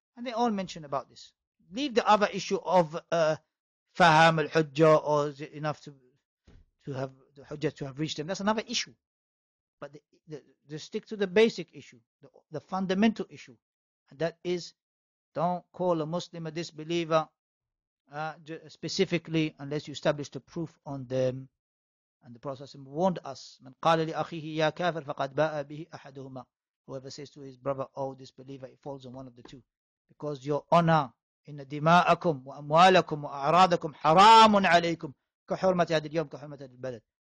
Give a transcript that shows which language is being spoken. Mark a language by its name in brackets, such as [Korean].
[English] And they all mention about this. Leave the other issue of faham al-hujjah, or is it enough to have the hujjah to have reached them. That's another issue. But the stick to the basic issue, the fundamental issue. That is, don't call a Muslim a disbeliever specifically unless you establish the proof on them. And the Prophet warned us, [Arabic] من قال لأخيه يا كافر فقد باء به أحدهما. [English] Whoever says to his brother, oh disbeliever, it falls on one of the two. Because your honor, [Arabic] إن دماءكم وأموالكم وأعراضكم حرام عليكم كحرمة هذا اليوم كحرمة هذا البلد.